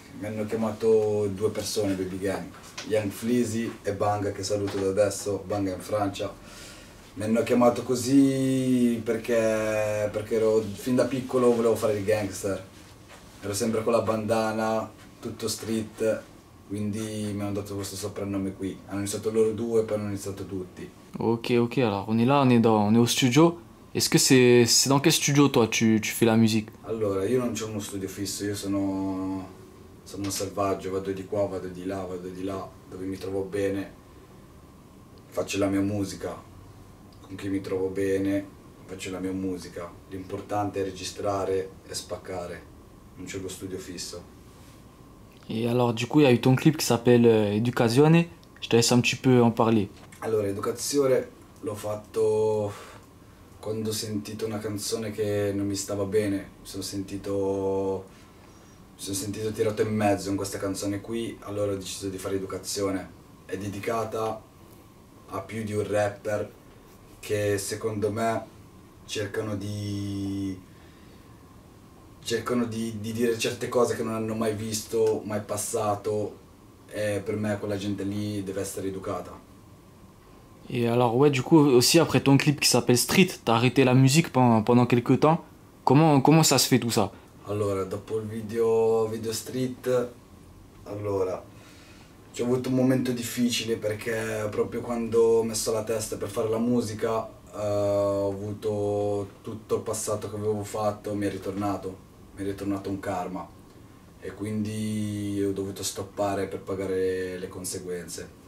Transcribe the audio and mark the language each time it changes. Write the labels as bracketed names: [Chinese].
[Italian] Mi hanno chiamato due persone Baby Gang, Young Fleazy e Bang, che saluto da adesso, Bang è in Francia. Mi hanno chiamato così perché ero fin da piccolo volevo fare il gangster. Ero sempre con la bandana, tutto street, quindi mi hanno dato questo soprannome qui. Hanno iniziato loro due, poi hanno iniziato tutti. [French] Ok, ok, allora, on est là, on est au studio. Est-ce que c'est dans quel studio, toi, tu fais la musique? [Italian] Allora, io non c'ho uno studio fisso, io sono un selvaggio, vado di qua, vado di là, dove mi trovo bene, faccio la mia musica, con chi mi trovo bene, faccio la mia musica. L'importante è registrare e spaccare. Non c'è lo studio fisso. E allora, [French] du coup, il y a eu ton clip qui s'appelle Educazione. Je te laisse un petit peu en parler. [Italian] Allora, Educazione l'ho fatto quando ho sentito una canzone che non mi stava bene. Mi sono sentito tirato in mezzo in questa canzone qui. Allora ho deciso di fare Educazione. È dedicata a più di un rapper che secondo me cercano di dire certe cose che non hanno mai visto, mai passato, e per me quella gente lì deve essere educata. E allora, [French] ouais, du coup, aussi après ton clip qui s'appelle Street, t'as arrêté la musique pendant quelques temps. Comment ça se fait tout ça? [Italian] Allora, dopo il video Street, allora, c'ho avuto un momento difficile perché proprio quando ho messo la testa per fare la musica, ho avuto tutto il passato che avevo fatto, mi è ritornato un karma, e quindi ho dovuto stoppare per pagare le conseguenze.